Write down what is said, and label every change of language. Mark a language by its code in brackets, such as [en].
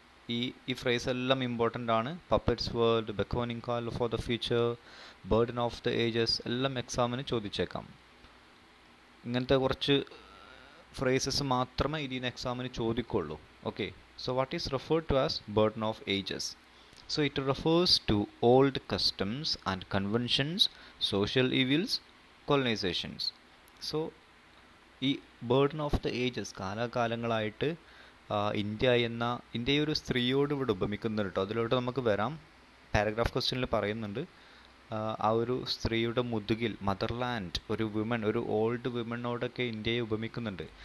[ml] ഈ ഫ്രേസ് എല്ലാം ഇമ്പോർട്ടൻ്റ് ആണ്. Puppets world, ബെക്കോണിംഗ് call for the future, burden of the ages എല്ലാം എക്സാമിന് ചോദിച്ചേക്കാം. ഇങ്ങനത്തെ കുറച്ച് ഫ്രേസസ് മാത്രമേ ഇതിൽ നിന്ന് എക്സാമിന് ചോദിക്കുള്ളൂ. [en] Okay, so what is referred to as burden of ages. So it refers to old customs and conventions, social evils, colonizations. [ml] So ഈ burden of the ages, കാലാകാലങ്ങളായിട്ട് India എന്ന ഇന്ത്യ ഒരു സ്ത്രീയോട് ഇവിടെ ഉപമിക്കുന്നുണ്ട് കേട്ടോ. അതിലോട്ട് നമുക്ക് വരാം. പാരഗ്രാഫ് ക്വസ്റ്റ്യനിൽ പറയുന്നുണ്ട് ആ ഒരു സ്ത്രീയുടെ മുതുകിൽ, മദർലാൻഡ്, ഒരു വിമൺ, ഒരു ഓൾഡ് വിമണ്ണോടൊക്കെ ഇന്ത്യയെ ഉപമിക്കുന്നുണ്ട്.